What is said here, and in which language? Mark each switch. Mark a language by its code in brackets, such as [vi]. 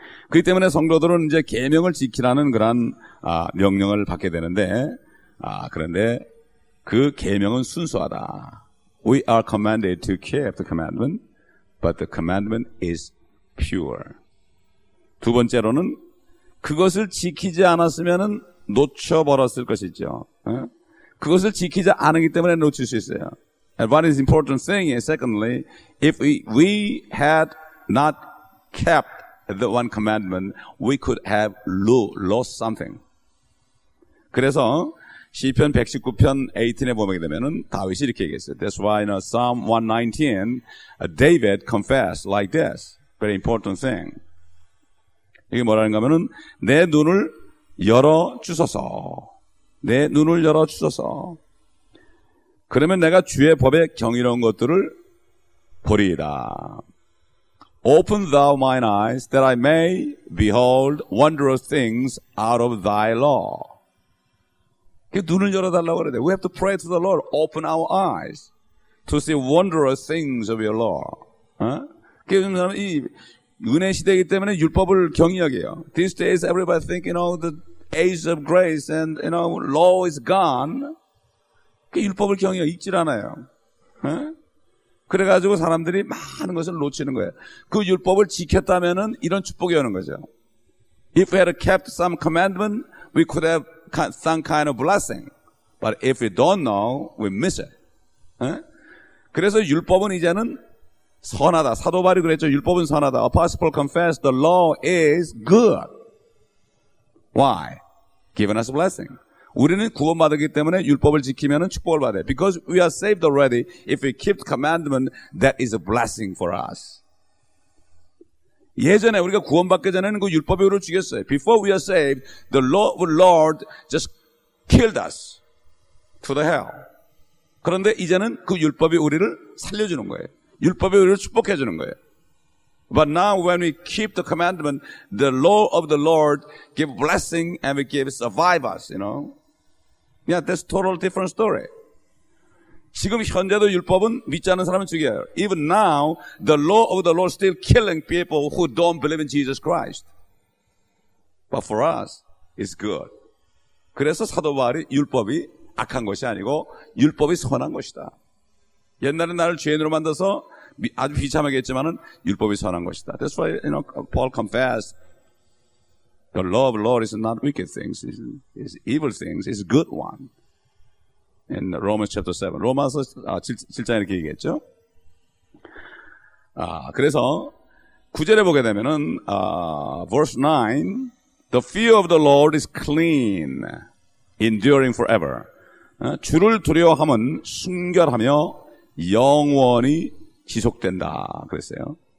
[ko] 그렇기 때문에 성도들은 이제 계명을 지키라는 그런 명령을 받게 되는데, 그런데 그 계명은 순수하다. [en] We are commanded to keep the commandment, but the commandment is pure. [ko] 두 번째로는 그것을 지키지 않았으면은 놓쳐버렸을 것이죠. 그것을 지키지 않았기 때문에 놓칠 수 있어요. [en] And what is important thing is, secondly, if we had not kept the one commandment, we could have lost something. [ko] 그래서 시편 119편 18에 보게 되면은 다윗이 이렇게 얘기했어요. [en] That's why in Psalm 119, David confessed like this. Very important thing. [ko] 이게 뭐라는 거면은 내 눈을 열어 주소서. 내 눈을 열어 주소서. 그러면 내가 주의 법에 경이로운 것들을 보리이다. [en] Open thou mine eyes that I may behold wondrous things out of thy law. [ko] 눈을 열어달라고 그래야 돼. [en] We have to pray to the Lord. Open our eyes to see wondrous things of your law. [ko] 요즘 사람이 은혜 시대이기 때문에 율법을 경외하게 해요. [en] These days everybody think, you know, the age of grace and, you know, law is gone. [ko] 그 율법을 경외하게 읽질 않아요. 그래가지고 사람들이 많은 것을 놓치는 거예요. 그 율법을 지켰다면은 이런 축복이 오는 거죠. [en] If we had kept some commandment, we could have some kind of blessing. But if we don't know, we miss it. [ko] 그래서 율법은 이제는 선하다. 사도바리 그랬죠. 율법은 선하다. [en] Apostle Paul confessed the law is good. Why? Given us a blessing. [ko] 우리는 구원받았기 때문에 율법을 지키면 축복을 받아요. [en] Because we are saved already, if we keep the commandment, that is a blessing for us. [ko] 예전에 우리가 구원받기 전에는 그 율법의 의를 죽였어요. [en] Before we are saved, the law of the Lord just killed us to the hell. [ko] 그런데 이제는 그 율법이 우리를 살려주는 거예요. 율법이 우리를 축복해주는 거예요. [en] But now when we keep the commandment, the law of the Lord give blessing and we give survive us, you know. Yeah, that's a total different story. [ko] 지금 현재도 율법은 믿지 않는 사람을 죽여요. [en] Even now, the law of the Lord still killing people who don't believe in Jesus Christ. But for us, it's good. [ko] 그래서 사도 바울이 율법이 악한 것이 아니고 율법이 선한 것이다. 옛날에 나를 죄인으로 만들어서 아주 비참하게 했지만은 율법이 선한 것이다. [en] That's why you know Paul confessed the law of the Lord is not wicked things, it's evil things, it's good one. In Romans chapter 7. [ko] 로마서 7장에 이렇게 얘기했죠. 아, 그래서 9절에 보게 되면은 [en] verse 9 the fear of the Lord is clean enduring forever. [ko] 주를 두려워함은 순결하며 영원히 지속된다 그랬어요.